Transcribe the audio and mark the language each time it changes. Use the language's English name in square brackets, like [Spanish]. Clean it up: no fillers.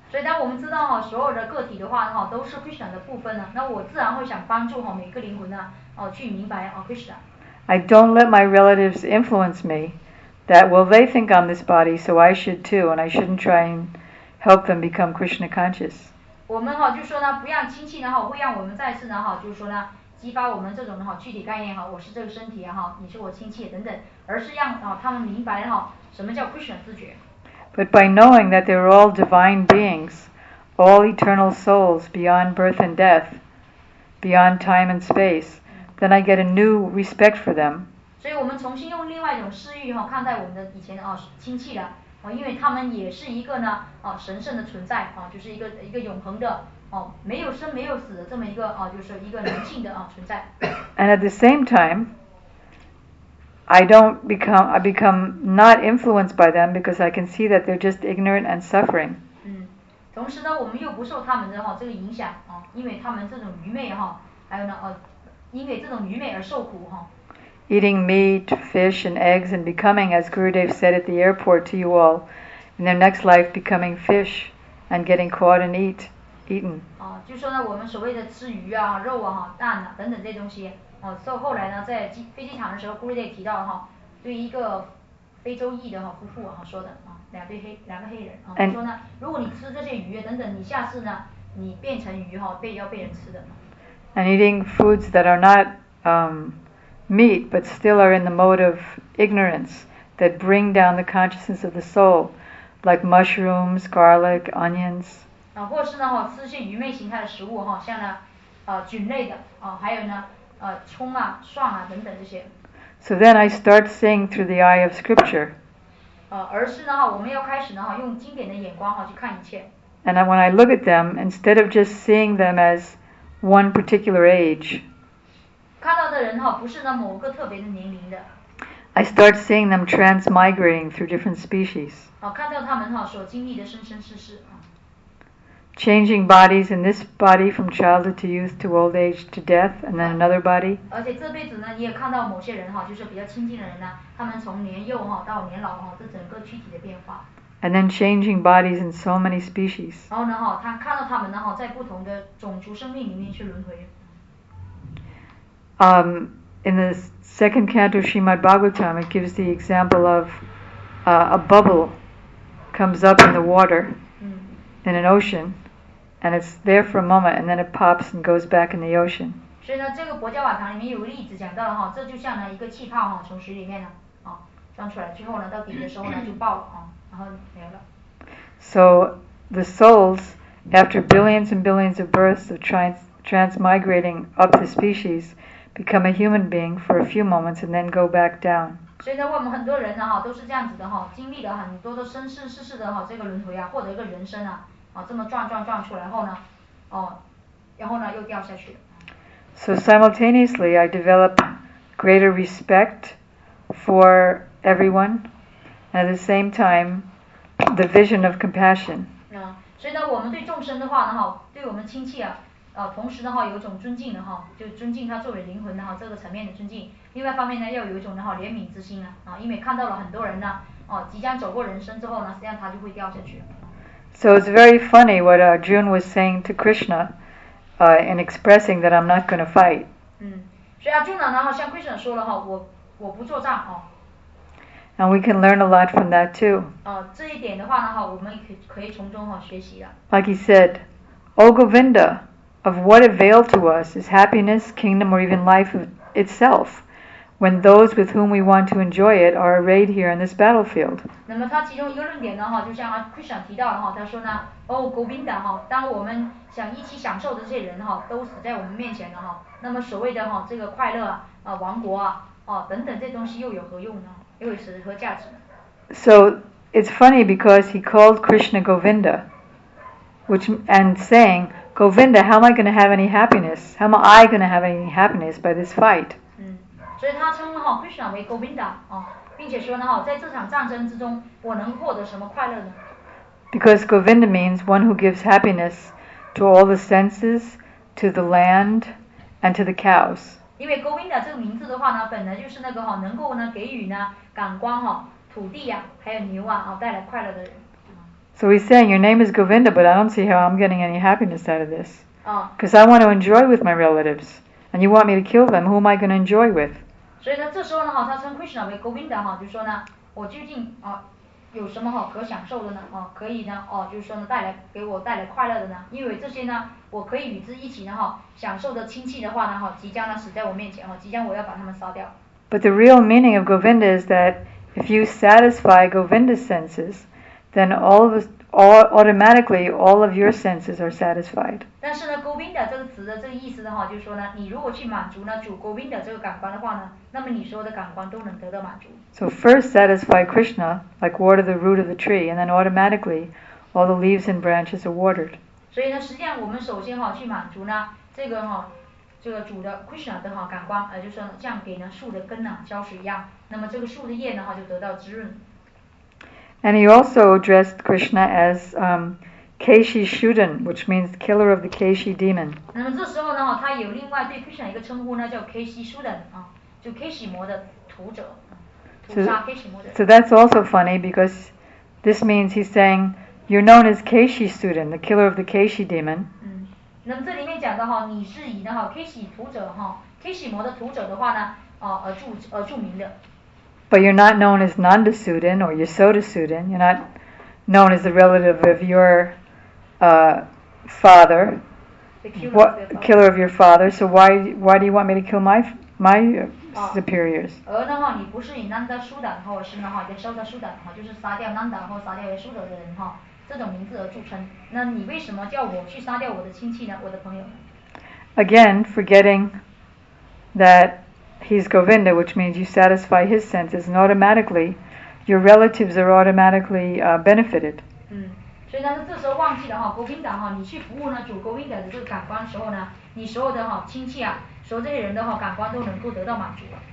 [English] I don't let my relatives influence me that, well, they think I'm this body, so I should too, and I shouldn't try and help them become Krishna conscious. [Chinese] 我们哈就说呢，不让亲戚呢哈会让我们再次呢哈就是说呢，激发我们这种哈具体概念哈，我是这个身体哈，你是我亲戚等等，而是让啊他们明白哈什么叫 Krishna 自觉。 [English] But by knowing that they're all divine beings, all eternal souls beyond birth and death, beyond time and space, then I get a new respect for them. [Chinese] 所以我们重新用另外一种视域哈看待我们的以前啊亲戚了。因为他们也是一个呢，啊，神圣的存在，啊，就是一个永恒的，哦，没有生没有死的这么一个，啊，就是一个灵性的啊存在。 [English] And at the same time, I don't become, I become not influenced by them because I can see that they're just ignorant and suffering. [Chinese] 嗯，同时呢，我们又不受他们的哈这个影响，啊，因为他们这种愚昧哈，还有呢，因为这种愚昧而受苦哈。 [English] Eating meat, fish, and eggs, and becoming, as Gurudev said at the airport to you all, in their next life becoming fish and getting caught and eaten. [Chinese] 啊，就说呢，我们所谓的吃鱼啊、肉啊、蛋啊等等这东西，哦，所以后来呢，在飞机场的时候 ，Gurudev 提到哈，对一个非洲裔的哈夫妇哈说的啊，两个黑人啊，说呢，如果你吃这些鱼等等，你下次呢，你变成鱼哈，要被人吃的。 [English] And eating foods that are not meat, but still are in the mode of ignorance that bring down the consciousness of the soul, like mushrooms, garlic, onions. [Chinese] 啊，或是呢，哈，吃些愚昧形态的食物，哈，像呢，菌类的，啊，还有呢，葱啊、蒜啊等等这些。 [English] So then I start seeing through the eye of scripture. [Chinese] 而是呢，哈，我们要开始呢，哈，用经典的眼光，哈，去看一切。 [English] And when I look at them, instead of just seeing them as one particular age. [Chinese] 看到的人哈，不是呢某个特别的年龄的。 [English] I start seeing them transmigrating through different species. [Chinese] 哦，看到他们哈所经历的生生世世。 [English] Changing bodies in this body from childhood to youth to old age to death and then another body. [Chinese] 而且这辈子呢，你也看到某些人哈，就是比较亲近的人呢，他们从年幼哈到年老哈，这整个躯体的变化。 [English] And then changing bodies in so many species. [Chinese] 然后呢哈，他看到他们呢哈，在不同的种族生命里面去轮回。 [English] In the second canto Srimad Bhagavatam, it gives the example of a bubble comes up in the water in an ocean, and it's there for a moment, and then it pops and goes back in the ocean. [Chinese] 所以呢，这个《薄伽瓦堂》里面有个例子讲到哈，这就像呢一个气泡哈从水里面呢啊钻出来，最后呢到底的时候呢就爆了啊，然后没了。 [English] So the souls, after billions and billions of births of transmigrating up the species. Become a human being for a few moments and then go back down. [Chinese] 所以呢，我们很多人呢，哈，都是这样子的，哈，经历了很多的生生世世的，哈，这个轮回啊，获得一个人生啊，啊，这么转出来后呢，哦，然后呢，又掉下去。 [English] So simultaneously, I develop greater respect for everyone, and at the same time, the vision of compassion. [Chinese] 所以呢，我们对众生的话呢，哈，对我们亲戚啊。同时呢哈，有一种尊敬的哈，就尊敬他作为灵魂的哈这个层面的尊敬。另外一方面呢，要有一种呢哈怜悯之心啊，啊，因为看到了很多人呢，哦，即将走过人生之后呢，实际上他就会掉下去。 [English] So it's very funny what Arjuna was saying to Krishna, in expressing that I'm not going to fight. [Chinese] 嗯，所以Arjuna呢哈向 Krishna 说了哈，我不作战哦。 [English] And we can learn a lot from that too. [Chinese] 这一点的话呢哈，我们可以从中哈学习的。 [English] Like he said, O Govinda. Of what avail to us is happiness, kingdom, or even life itself, when those with whom we want to enjoy it are arrayed here in this battlefield. [Chinese] 那么他其中一个论点呢，哈，就像啊 Krishna 提到的哈，他说呢，哦 ，Govinda 哈，当我们想一起享受的这些人哈，都死在我们面前了哈，那么所谓的哈这个快乐啊、王国啊、等等这东西又有何用呢？又有何价值 [English] ？So it's funny because he called Krishna Govinda, which and saying. Govinda, how am I going to have any happiness? How am I going to have any happiness by this fight? [Chinese] 嗯，所以他称哈 Krishna 为 Govinda 啊，并且说呢哈，在这场战争之中，我能获得什么快乐呢 [English] ？Because Govinda means one who gives happiness to all the senses, to the land, and to the cows. [Chinese] 因为 Govinda 这个名字的话呢，本来就是那个哈，能够呢给予呢感官哈、土地呀、还有牛啊啊带来快乐的人。 [English] So he's saying, your name is Govinda, but I don't see how I'm getting any happiness out of this. Because I want to enjoy with my relatives. And you want me to kill them, who am I going to enjoy with? [Chinese] 所以呢，这时候呢，哈，他称 Krishna 为 Govinda 哈，就说呢，我究竟啊，有什么好可享受的呢？哦，可以呢，哦，就是说呢，带来给我带来快乐的呢？因为这些呢，我可以与之一起呢，哈、哦，享受的亲戚的话呢，哈、哦，即将呢死在我面前，哈、哦，即将我要把他们杀掉。 [English] But the real meaning of Govinda is that if you satisfy Govinda's senses, then automatically all of your senses are satisfied. [Chinese] 但是呢 ，Govinda 这个词的这个意思呢，哈，就是说呢，你如果去满足呢主 Govinda 这个感官的话呢，那么你所有的感官都能得到满足。 [English] So first satisfy Krishna, like water the root of the tree, and then automatically all the leaves and branches are watered. [Chinese] 所以呢，实际上我们首先哈去满足呢这个哈这个主的 Krishna 的哈感官，就是像给呢树的根呢浇水一样，那么这个树的叶呢哈就得到滋润。 [English] And he also addressed Krishna as Keshi Shudan, which means killer of the Keshi demon. [Chinese] 那么这时候呢，他有另外对 Krishna 一个称呼呢，叫 Keshi Shudan 啊，就 Keshi 魔的屠者，屠杀 Keshi 魔者。 [English] So that's also funny because this means he's saying you're known as Keshi Shudan, the killer of the Keshi demon. [Chinese] 嗯，那么这里面讲的哈，你是以呢哈 Keshi 屠者哈 Keshi 魔的屠者的话呢，而著名的。 [English] But you're not known as Nanda Sudan or Yasoda Sudan. You're not known as the relative of your father, the killer of your father. So why do you want me to kill my superiors? [Chinese] 而呢哈，你不是以 Nanda Sudan 或是呢哈 Yasoda Sudan 哈，就是杀掉 Nanda 或杀掉 Yasoda 的人哈，这种名字而著称。那你为什么叫我去杀掉我的亲戚呢？我的朋友呢？ [English] Again, forgetting that. He's Govinda, which means you satisfy his senses, and automatically, your relatives are automatically benefited. [Chinese] 嗯，所以呢，这时候忘记了哈 ，Govinda 哈，你去服务呢主 Govinda 的这个感官的时候呢，你所有的哈亲戚啊，所有这些人的哈感官都能够得到满足。